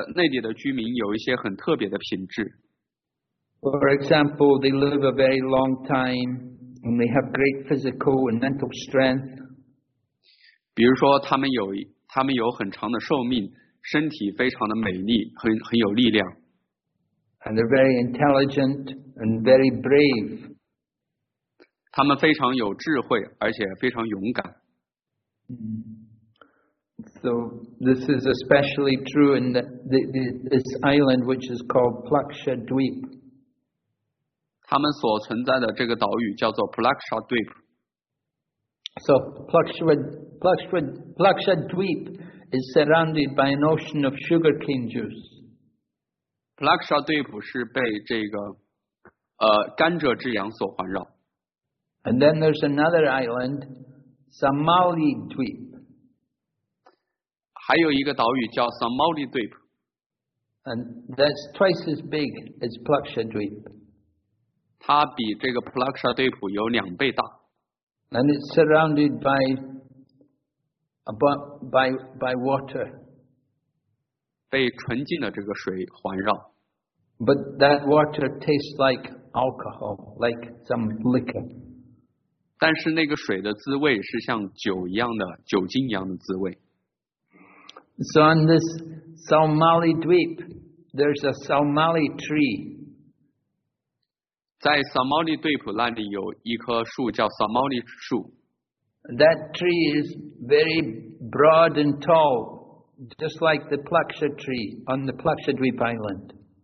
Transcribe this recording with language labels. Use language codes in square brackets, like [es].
[zh] 在那里的居民有一些很特别的品质。 [en] For example, they live a very long time and they have great physical and mental strength. [zh] 比如说他们有很长的寿命，身体非常的美丽，很有力量。 [en] And they're very intelligent and very brave. [zh] 他们非常有智慧，而且非常勇敢。 [en] So this is especially true in this island which is called Plakshadweep. [zh] 他们所存在的这个岛屿叫做 Plakshadweep. [en] So Plakshadweep is surrounded by an ocean of sugarcane juice. [zh] Plakshadweep 是被这个甘蔗之洋所环绕。 [en] And then there's another island, Samalidweep. [zh] 还有一个岛屿叫 Samalidweep. [en] And that's twice as big as Plakshadweep. [zh] 它比这个 Plakshadweep 有两倍大。 [en] And it's surrounded by water. [zh] 被纯净的这个水环绕。 [en] But that water tastes like alcohol, like some liquor. [zh] 但是那个水的滋味是像酒一样的，酒精一样的滋味。 [en] So on this Somalidweep, there's a Somali tree. [zh] 在Somalidweep那里有一棵树叫Somali树。 [en] That tree is very broad and tall, just like the Plaksha tree on the Plakshadweep island.